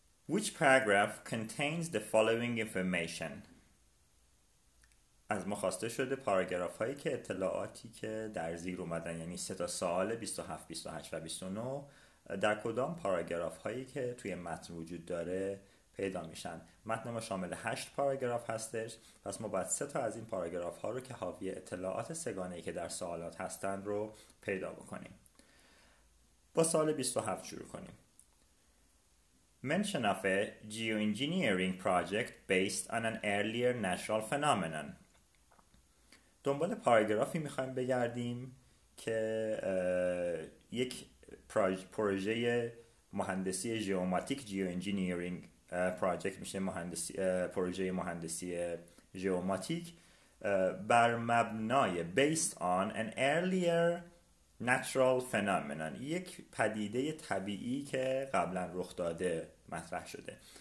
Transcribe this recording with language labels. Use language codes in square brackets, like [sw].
[en] Which paragraph contains the following information؟ [fa] از ما خواسته شده پاراگراف‌هایی که اطلاعاتی که در زیر اومدن یعنی سه تا سوال 27, 28 و 29 در کدام پاراگراف هایی که توی متن وجود داره پیدا میشن. متن ما شامل 8 پاراگراف هستش، پس ما باید 3 تا از این پاراگراف ها رو که حاوی اطلاعات سگانه‌ای که در سوالات هستن رو پیدا بکنیم. با سوال 27 شروع کنیم. [en] Mention of a geoengineering project based on an earlier natural phenomenon. [fa] دنبال پاراگرافی میخوایم بگردیم که یک پروژه مهندسی جیوماتیک جیو انجینیرینگ پروژه میشه مهندسی پروژه مهندسی جیوماتیک بر مبنای [en] based on an earlier natural phenomenon [fa] یک پدیده طبیعی که قبلا رخ داده مطرح شده.